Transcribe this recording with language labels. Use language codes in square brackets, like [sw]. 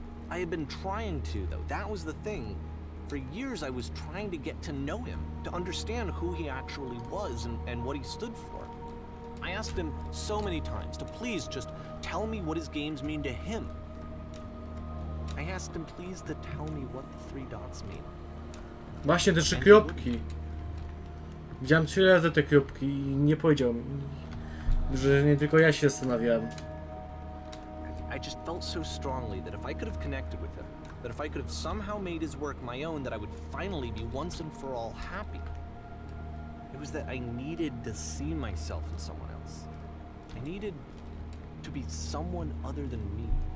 [en] I had been trying to, though, that was the thing. For years I was trying to get to know him, to understand who he actually was and what he stood for. I asked him so many times to please just tell me what his games mean to him. I asked him please to tell me what the three dots mean. [pl] Właśnie te trzy kropki. Widziałem 3 razy te kropki i nie powiedział mi, że nie tylko ja się zastanawiałem. [en] I just felt so strongly that if I could have connected with him, that if I could have somehow made his work my own, that I would finally be once and for all happy. It was that I needed to see myself in someone else. I needed to be someone other than me.